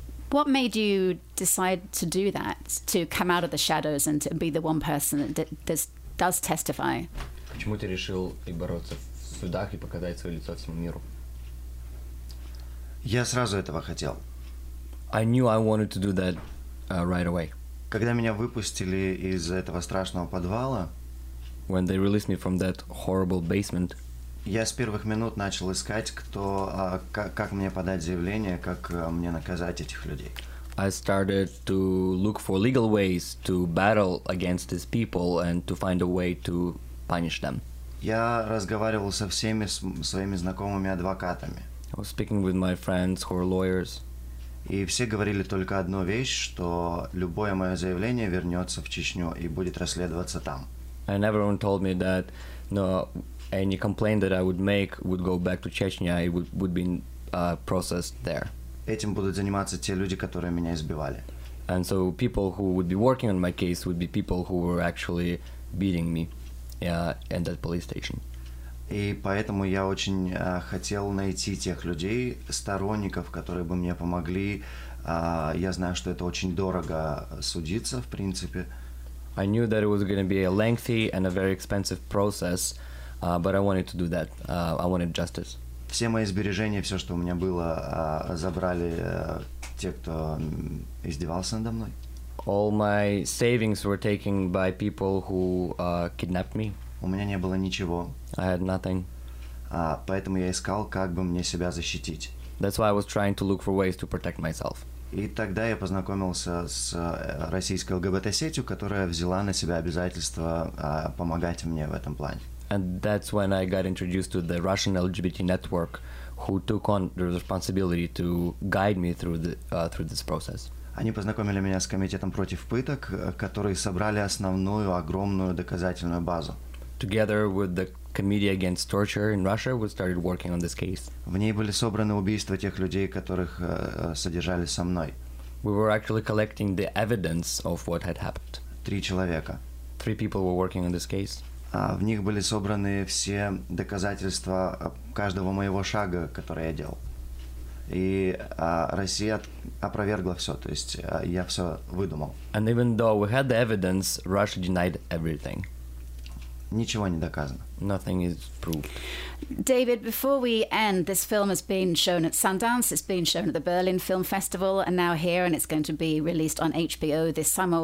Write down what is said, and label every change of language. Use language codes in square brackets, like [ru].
[en] What made you decide to do that, to come out of the shadows and to be the one person that does testify? [ru] Почему ты решил и бороться в судах и показать свое лицо всему миру? Я сразу этого хотел. [en] I knew I wanted to do that right away. [ru] Когда меня выпустили из этого страшного подвала, [en] when they released me from that horrible basement, [ru] я с первых минут начал искать, кто, как мне подать заявление, как мне наказать этих людей. [en] I started to look for legal ways to battle against these people and to find a way to punish them. [ru] Я разговаривал со всеми своими знакомыми адвокатами. [en] I was speaking with my friends who are lawyers. [ru] И все говорили только одну вещь, что любое мое заявление вернется в Чечню и будет расследоваться там. [en] And everyone told me that no, any complaint that I would make would go back to Chechnya, it would be processed there. [ru] Этим будут заниматься те люди, которые меня избивали. [en] And so people who would be working on my case would be people who were actually beating me in that police station. [ru] И поэтому я очень хотел найти тех людей, сторонников, которые бы мне помогли. Я знаю, что это очень дорого судиться, в принципе. [en] I knew that it was going to be a lengthy and a very expensive process, but I wanted to do that. I wanted justice. [ru] Все мои сбережения, все, что у меня было, забрали те, кто издевался надо мной. [en] All my savings were taken by people who kidnapped me. [ru] У меня не было ничего. [en] I had nothing. [ru] Поэтому я искал, как бы мне себя защитить. [en] That's why I was trying to look for ways to protect myself. [ru] И тогда я познакомился с российской ЛГБТ-сетью, которая взяла на себя обязательство помогать мне в этом плане. [en] And that's when I got introduced to the Russian LGBT network, who took on the responsibility to guide me through through this process. [ru] Они познакомили меня с комитетом против пыток, которые собрали основную огромную доказательную базу. [en] Together with the Committee Against Torture in Russia, we started working on this case. [ru] В ней были собраны убийства тех людей, которых содержали со мной. [en] We were actually collecting the evidence of what had happened. [ru] Три человека. [en] Three people were working on this case. [ru] В них были собраны все доказательства каждого моего шага, который я делал. и Россия опровергла все, то есть я все выдумал. [en] And even though we had the evidence, Russia denied everything. [ru] Ничего не доказано. [en] Nothing is proved. David, before we end, this film has been shown at Sundance, it's been shown at the Berlin Film Festival, and now here, and it's going to be released on HBO this summer.